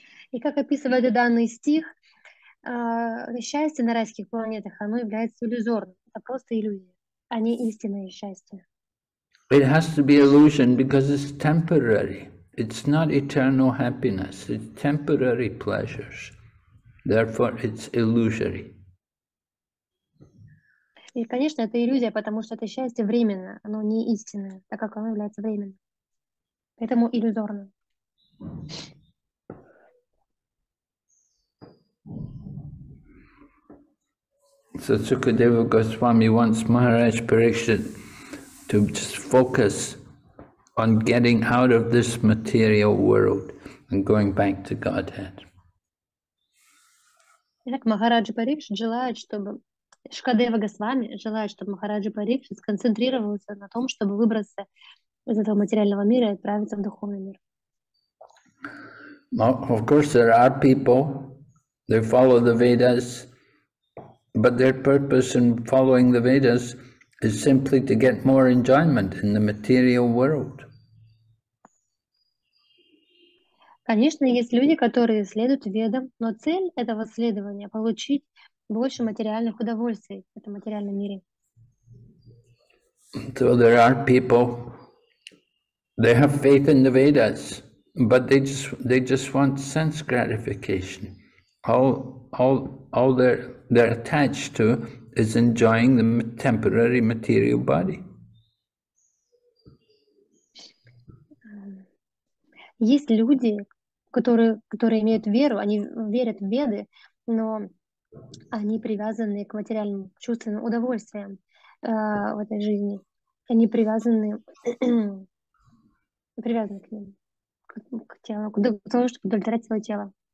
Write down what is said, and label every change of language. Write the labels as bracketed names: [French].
[Russian] И как описывает данный стих, счастье на райских планетах, оно является иллюзорным, это просто иллюзия, а не истинное счастье. [English] It has to be illusion because it's temporary. It's not eternal happiness, it's temporary pleasures. Therefore, it's illusory. [Russian] И, конечно, это иллюзия, потому что это счастье временное, оно не истинное, так как оно является временным. Поэтому иллюзорным. [English] So Sukadeva Goswami wants Maharaj Parikshit to just focus on getting out of this material world and going back to Godhead. [Russian] Итак, Махараджа Парикшит желает, чтобы Шкадева Госвами желает, чтобы Махараджа Парикшит сконцентрировался на том, чтобы выбраться из этого материального мира и отправиться в духовный мир. [English] Well, of course, there are people, they follow the Vedas, but their purpose in following the Vedas is simply to get more enjoyment in the material world. [Russian] Конечно, есть люди, которые следуют ведам, но цель этого следования – получить больше материальных удовольствий в этом материальном мире. [English] So there are people, they have faith in the Vedas, but they just want sense gratification. All they're attached to is enjoying the temporary material body. [Russian] Есть люди, которые имеют веру, они верят в Веды, но они привязаны к материальным чувственным удовольствиям в этой жизни. Они привязаны к ним, к телу, к тому, чтобы удовлетворять свое тело.